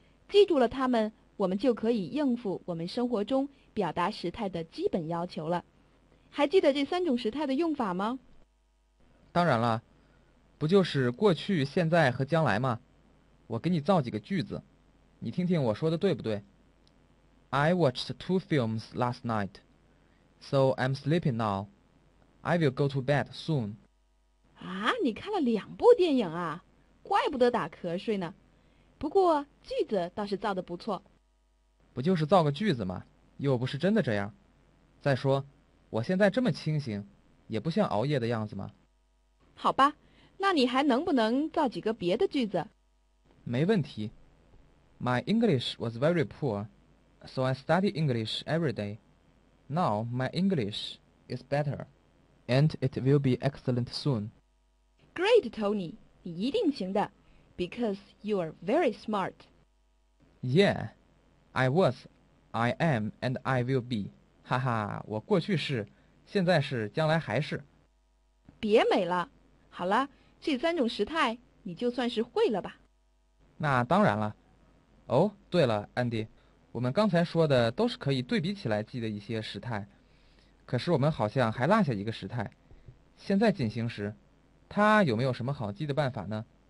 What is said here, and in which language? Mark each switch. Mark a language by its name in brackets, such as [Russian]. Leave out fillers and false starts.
[Chinese] 记住了它们，我们就可以应付我们生活中表达时态的基本要求了。还记得这三种时态的用法吗？当然了，不就是过去、现在和将来吗？我给你造几个句子，你听听我说的对不对。 [English] I watched two films last night, so I'm sleeping now. I will go to bed soon. [Chinese] 啊，你看了两部电影啊，怪不得打瞌睡呢。不过句子倒是造得不错。不就是造个句子吗？又不是真的这样。再说我现在这么清醒，也不像熬夜的样子吗？好吧，那你还能不能造几个别的句子？没问题。 [English] My English was very poor, so I study English every day. Now my English is better, and it will be excellent soon. Great, Tony, [Chinese] 你一定行的， [English] because you are very smart. Yeah, I was, I am, and I will be. [Chinese] 哈哈，我过去是，现在是，将来还是。别美了，好了，这三种时态你就算是会了吧。那当然了。哦，对了，安迪，我们刚才说的都是可以对比起来记的一些时态，可是我们好像还落下一个时态，现在进行时，它有没有什么好记的办法呢？